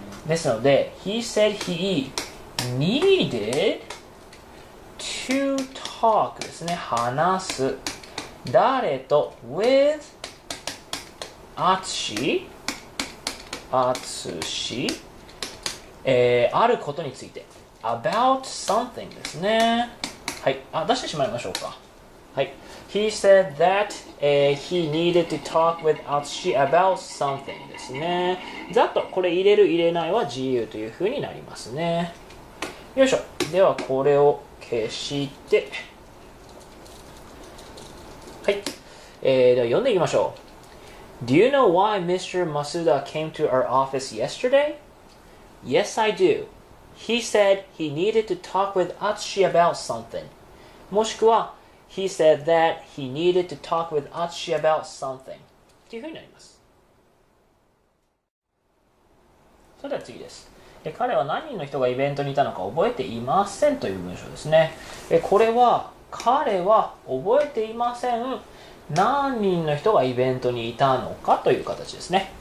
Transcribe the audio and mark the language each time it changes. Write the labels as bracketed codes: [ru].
[ja] ですので、 [en] He said he needed to talk [ja] ですね。話す。誰と [en] with [ja] Atsushi、Atsushi、あることについて。 [en] about something [ja] ですね。はい。あ、出してしまいましょうか。はい。 [en] He said that、he needed to talk with Atsushi about something [ja] ですね。ざっとこれ入れる入れないは自由というふうになりますね。よいしょ。ではこれを消して、はい。では読んでいきましょう。 [en] Do you know why Mr. Masuda came to our office yesterday? Yes, I do. He said he needed to talk with Atsushi about something. [ja] もしくは [en] He said that he needed to talk with Atsushi about something. [ja] というふうになります。それでは次です。彼は何人の人がイベントにいたのか覚えていませんという文章ですね。これは、彼は覚えていません。何人の人がイベントにいたのかという形ですね。